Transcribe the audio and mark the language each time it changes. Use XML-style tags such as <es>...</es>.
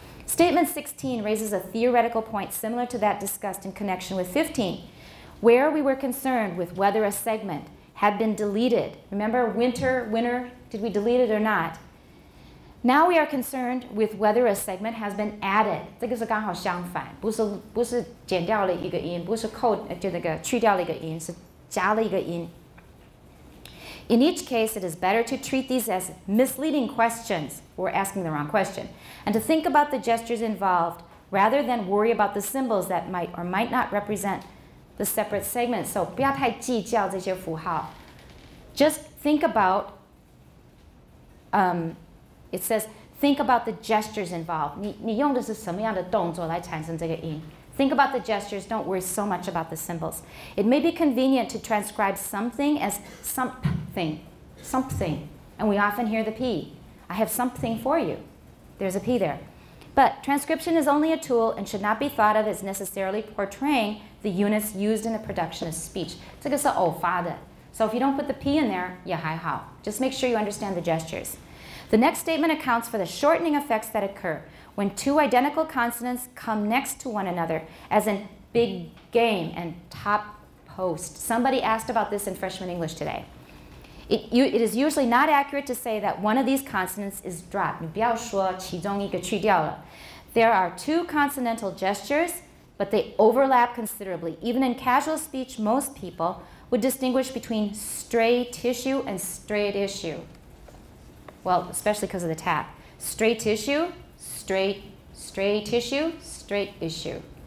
<en>Statement 16 raises a theoretical point similar to that discussed in connection with 15, where we were concerned with whether a segment had been deleted. Remember winter, winter, did we delete it or not? Now we are concerned with whether a segment has been added.</en> <zh>这个是刚好相反，不是剪掉了一个音，不是扣就那个去掉了一个音，是加了一个音.</zh> <en>In each case, it is better to treat these as misleading questions. We're asking the wrong question. And to think about the gestures involved rather than worry about the symbols that might or might not represent the separate segments.</en> <zh>So, 不要太计较这些符号.</zh> <en>Just think about, it says, think about the gestures involved.</en> <zh>你用的是什么样的动作来产生这个音?</zh> <en>Think about the gestures, don't worry so much about the symbols. It may be convenient to transcribe something as something, something. And we often hear the P. I have something for you. There's a P there. But transcription is only a tool and should not be thought of as necessarily portraying the units used in a production of speech.</en> <zh>这个是偶发的.</zh> <en>So if you don't put the P in there, 也还好. Just make sure you understand the gestures. The next statement accounts for the shortening effects that occur when two identical consonants come next to one another, as in big game and top post. Somebody asked about this in freshman English today. It is usually not accurate to say that one of these consonants is dropped.</en> <zh>你不要说其中一个去掉了.</zh> <en>There are two consonantal gestures, but they overlap considerably. Even in casual speech, most people would distinguish between stray tissue and strayed issue. Well, especially because of the tap. Stray tissue, stray tissue, straight issue.</en>